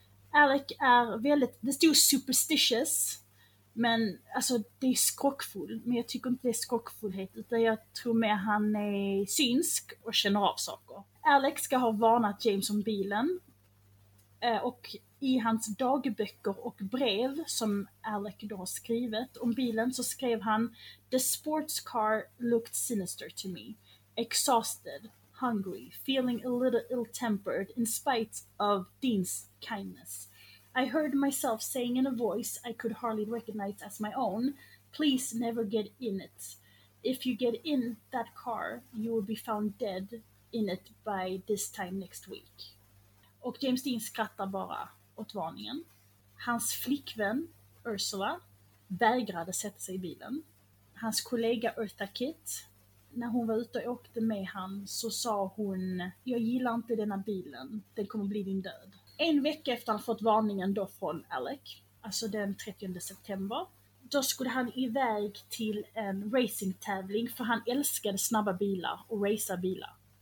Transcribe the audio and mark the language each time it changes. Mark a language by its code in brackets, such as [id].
[sv] Alec är väldigt, det står superstitious, men alltså det är skrockfull, men jag tycker inte det är skrockfullhet, utan jag tror mer han är synsk och känner av saker. Alec ska ha varnat James om bilen, och i hans dagböcker och brev som Alec då har skrivit om bilen så skrev han: [en] "The sports car looked sinister to me. Exhausted, hungry, feeling a little ill-tempered in spite of Dean's kindness. I heard myself saying in a voice I could hardly recognize as my own, 'Please never get in it. If you get in that car, you will be found dead in it by this time next week.'" [sv] Och James Dean skrattar bara åt varningen. Hans flickvän Ursula vägrade sätta sig i bilen. Hans kollega Eartha Kitt, när hon var ute och åkte med han, så sa hon: "Jag gillar inte denna bilen, den kommer bli din död." En vecka efter han fått varningen då från Alec, alltså den 30 september, då skulle han iväg till en racingtävling, för han älskade snabba bilar och raca bilar.